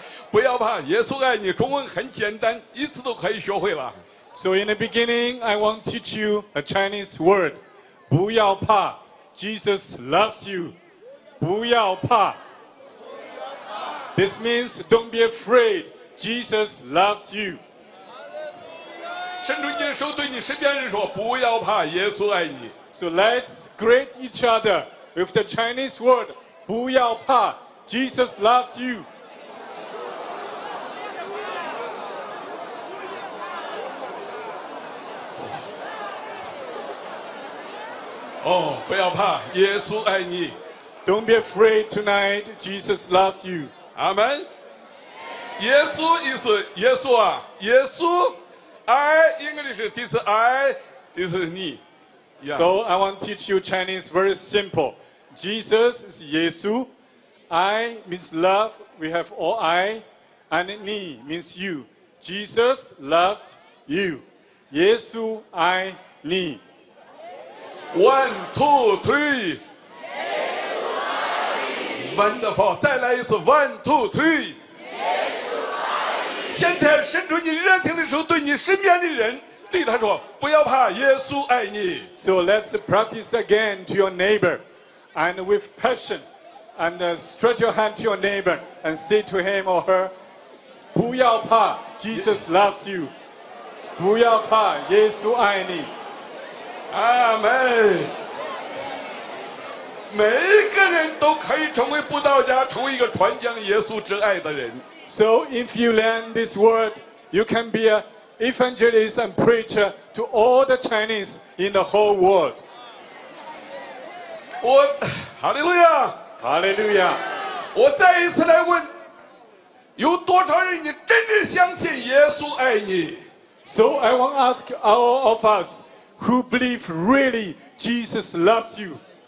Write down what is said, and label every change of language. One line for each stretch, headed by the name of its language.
Chinese: 不要怕, 耶稣爱你, 中文很简单, 一次都可以学会了。
English: So in the beginning, I want to teach you a Chinese word.
Chinese: 不要怕,
English: Jesus loves you.
Chinese: 不要怕。
English: This means don't be afraid, Jesus loves you.
Chinese: 伸出你的手对你身边人说, 不要怕, 耶稣爱你。
English: So let's greet each other with the Chinese word,
Chinese: 不要怕,
English: Jesus loves you.
Chinese: 不要怕, 耶稣爱你。
English: Don't be afraid tonight, Jesus loves you.
Chinese: Amen. 耶稣意思耶稣啊, 耶稣,
English: I, English, this I, this is
Chinese: 你。
English: Yeah. So I want to teach you Chinese very simple. Jesus is Yesu. I means love. We have all I. And ni means you. Jesus loves you.
Chinese: Yesu, I, ni.
English: One, two, three.
Chinese: Yesu, I, ni.
English: Wonderful.
Chinese: 再来一次.
English: One, two, three.
Chinese: Yesu, I, ni. 现在伸出你热情的手对你身边的人 对他说,不要怕,耶稣爱你。
English: So let's practice again to your neighbor, and with passion, and stretch your hand to your neighbor, and say to him or her,
Chinese: 不要怕,
English: Jesus loves you.
Chinese: 不要怕,耶稣爱你。
English: Amen.
Chinese: 每一个人都可以成为布道家,成为一个传讲耶稣之爱的人。
English: So if you learn this word, you can be a evangelist and preacher to all the Chinese in the whole world. Hallelujah! Hallelujah!
Chinese: 我再一次来问,有多少人你真正相信耶稣爱你?
English: So I want to ask all of us who believe really Jesus loves you.